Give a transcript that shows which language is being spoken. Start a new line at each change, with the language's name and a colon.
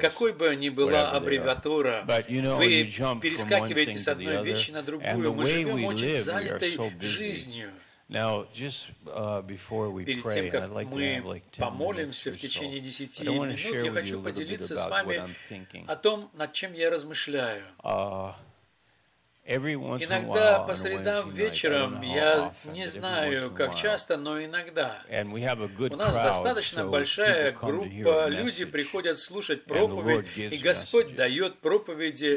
Russian: Какой бы ни была аббревиатура, вы перескакиваете с одной вещи на другую. Мы живем очень занятой жизнью.
English: Now, just before we pray,
Russian: тем,
English: I'd like to have like 10 minutes or so. I don't want to share with you a little bit about what I'm thinking.
Russian: О том, над чем я размышляю.
English: Every once in a while,
Russian: иногда по средам вечером, я не знаю, как часто, но иногда. У нас достаточно большая группа, люди приходят слушать проповедь, и Господь дает проповеди.